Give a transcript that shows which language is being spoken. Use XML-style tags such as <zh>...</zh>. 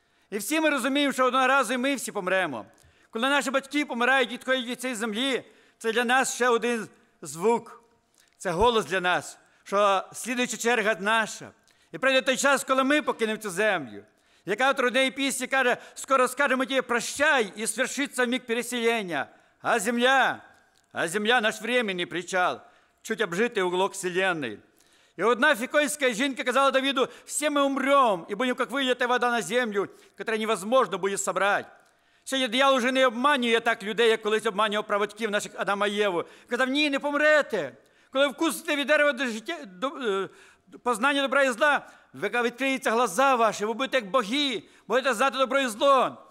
<uk>І всі ми розуміємо, що одного разу і ми всі помремо. Коли наші батьки помирають, відходять від цієї землі, це для нас ще один звук. Це голос для нас, що слідуюча черга наша. І прийде той час, коли ми покинемо цю землю. Як автор однієї пісні каже, скоро скажемо тобі прощай, і свершиться міг переселення.</uk> <ru>А земля наш временний причал, чуть обжитий уголок вселенной.</ru> <uk>І одна фікольська жінка казала Давиду, все ми умремо, і будемо, як вилити вода на землю, яку невозможно буде зібрати. Сьогодні диявол вже не обманює так людей, як колись обманював праводків наших Адама і Єву. Казав, ні, не помрете. Коли вкусите від дерева до життя, познання добра і зла, відкриються глаза ваші, ви будете як боги, будете знати добро і зло.</uk>